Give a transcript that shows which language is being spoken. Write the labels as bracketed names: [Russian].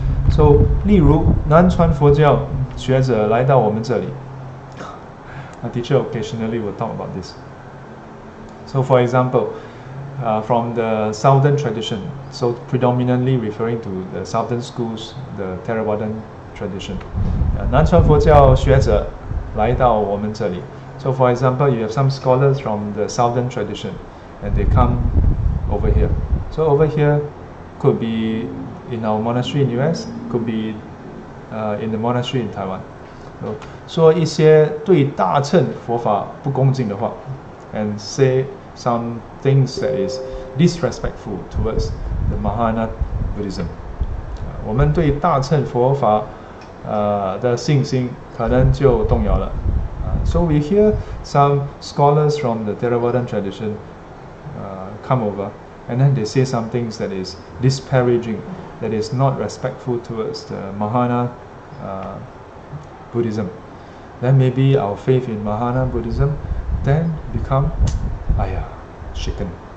[Chinese] So, 例如南传佛教学者来到我们这里 ， [English] my teacher occasionally will talk about this. So, for example, from the southern tradition, so predominantly referring to the southern schools, the Theravadan tradition. [Chinese] 南传佛教学者来到我们这里。 [English] So for example, you have some scholars from the southern tradition and they come over here. So over here could be in our monastery in US, could be in the monastery in Taiwan. So [Chinese] 说一些对大乘佛法不恭敬的话 [English] and say some things that is disrespectful towards the Mahayana Buddhism. [Chinese] 我们对大乘佛法的信心可能就动摇了。 [English] So we hear some scholars from the Theravadan tradition come over and then they say some things that is disparaging, that is not respectful towards the Mahayana Buddhism. Then maybe our faith in Mahayana Buddhism then become, shaken.